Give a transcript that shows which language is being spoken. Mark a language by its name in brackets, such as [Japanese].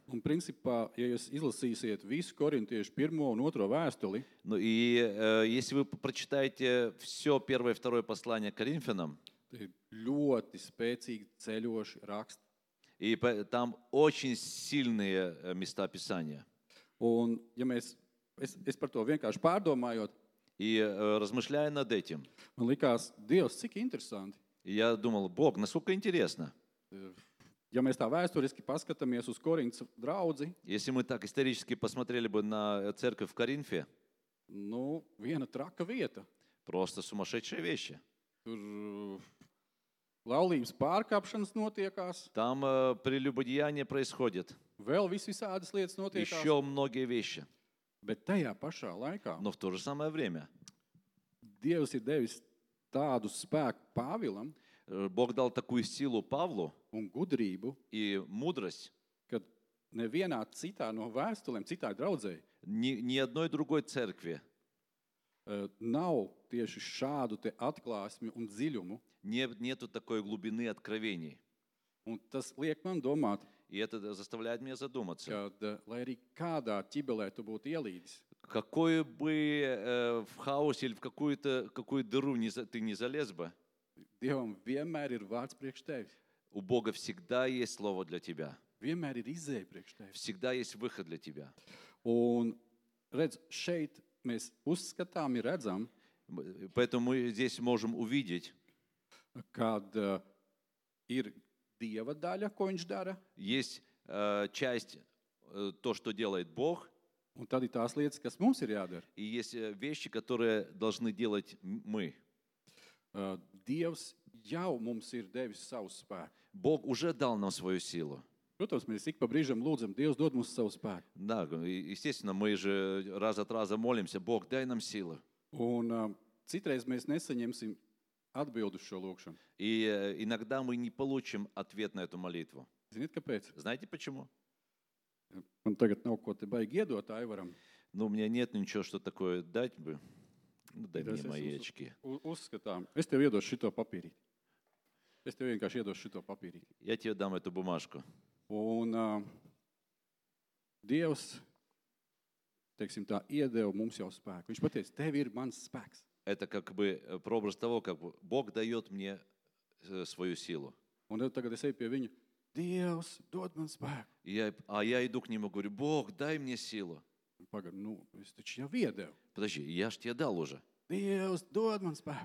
[Latvian] Un principā, ja jūs izlasīsiet visu korintiešu 1. Un 2. Vēstuli, [Russian] ну и если вы прочитаете всё первое и второе послание к Коринфянам, [Latvian] ļoti spēcīgi ceļoši raksti. [Russian] И там очень сильные места писания. [Latvian] Un ja mēs es par to vienkārši pārdomājot, [Russian] и размышляя над этим. [Latvian] Man likās, Dievs, cik interesanti. [Russian] Я думал, Бог, насколько интересно. [Latvian] Ja mēs tā vēsturiski paskatāmies uz Korintas draudzi. [Russian] Если мы так исторически посмотрели бы на церковь в Коринфе. [Latvian] Ну, viena traka vieta. [Russian] Просто сумасшедшие вещи. [Latvian] Tur laulības pārkāpšanas notiekās. [Russian] Там прелюбодеяние происходит. [Latvian] Vēl visvisādas lietas notiekās. [Russian] Еще многие вещи. [Latvian] Bet tajā pašā laikā. [Russian] Но в то же самое время. [Latvian] Dievs ir devis tādu spēku Pāvilam. [Russian] Бог дал такую силу Павлу. [Latvian] Un gudrību. [Russian] И мудрость. [Latvian] Kad nevienā citā no vēstulēm, citā draudzē. [Russian] Ни одной другой церкви. [Latvian] Nav tieši šādu te atklāsmi un dziļumu. [Russian] Нету такой глубины откровений. [Latvian] Un tas liek man domāt. [Russian] И это заставляет меня задуматься. [Latvian] Kad, lai arī kādā ķibelē tu būtu ielīdis. [Russian] Какой бы в хаосе или в какую-то какую дыру ты не залез бы. [Latvian] Dievam vienmēr ir vārds priekš tevi. [Russian] У Бога всегда есть слово для тебя. [Latvian] Vienmēr ir izēja priekš tevi. [Russian] Всегда есть выход для тебя. [Latvian] Un redz, šeit mēs uzskatām un redzam. [Russian] Поэтому мы здесь можем увидеть. [Latvian] Kad ir Dieva daļa, ko viņš dara. [Russian] Есть часть то, что делает Бог. [Latvian] Un tad ir tās lietas, kas mums ir jādara. [Russian] И есть вещи, которые должны делать мы. [Latvian] Dievs jau mums ir devis savu spēku. [Russian] Бог уже дал нам свою силу. [Latvian] Protams, mēs ik pa brīžam lūdzam, Dievs dod mums savu spēku. [Russian] Да, естественно, мы же раз от раза молимся, Бог, дай нам силу. [Latvian] Un citreiz mēs nesaņemsim atbildu šo lūkšanu. [Russian] И иногда мы не получим ответ на эту молитву. [Latvian] Ziniet, kāpēc? [Russian] Знаете, почему? [Latvian] Man tagad nav ko te baigi iedot Aivaram. [Russian] Ну, мне нет ничего, что такое дать бы. Ну, дай мне мои очки. [Latvian] Uzskatām. Es tev iedošu šito papīrīti. Es tev vienkārši iedošu šito papīrīti. [Russian] Я тебе дам эту бумажку. [Latvian] Un Dievs, teiksim tā, iedeva mums jau spēku. Viņš pateica, tev ir mans spēks. [Russian] Это как бы прообраз того, как Бог дает мне свою силу. [Latvian] Un tagad es eju pie viņa. Dievs, dod man spēku. [Russian] Я, а я иду к нему, говорю, Бог, дай мне силу. Подожди, я ж тебе дал уже. [Latvian] Dievs, dod man spēku.